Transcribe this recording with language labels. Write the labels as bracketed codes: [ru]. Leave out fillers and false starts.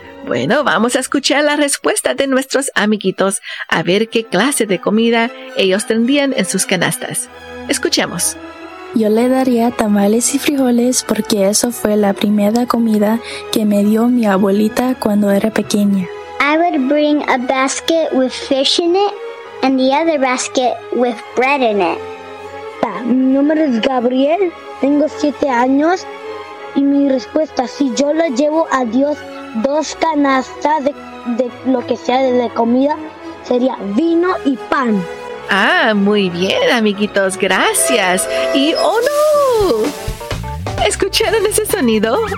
[es] Bueno, vamos a escuchar la respuesta de nuestros amiguitos a ver qué clase de comida ellos tendrían en sus canastas. Escuchemos. Yo le daría tamales y frijoles porque eso fue la primera comida que me dio mi abuelita cuando era pequeña. [en] I would bring a basket with fish in it and the other basket with bread in it. [es] Mi nombre es Gabriel, tengo 7 años y mi respuesta, si yo le llevo a Dios 2 canastas de lo que sea de comida, sería vino y pan. Ah, muy bien, amiguitos, gracias. Y, oh no, ¿escucharon ese sonido?